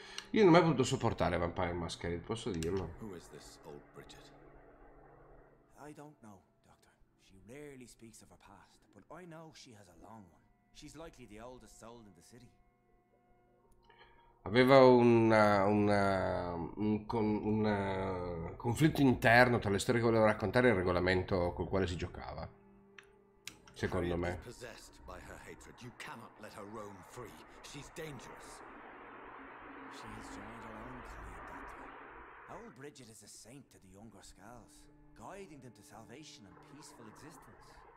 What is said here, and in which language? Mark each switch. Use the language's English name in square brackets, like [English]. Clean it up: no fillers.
[Italian] Io non ho mai potuto sopportare Vampire Masquerade, posso dirlo. [English] Who is this old Bridget? I don't know, Doctor. She rarely speaks of her past, but I know she has a long one. She's likely the oldest soul in the city. [Italian] Aveva un conflitto interno tra le storie che voleva raccontare e il regolamento col quale si giocava. Secondo me. [English] Possessed by her hatred, you cannot let her roam free. She's dangerous. She has joined her own creed, Doctor. Old Bridget is a saint to the younger Skulls, guiding them to salvation and peaceful existence.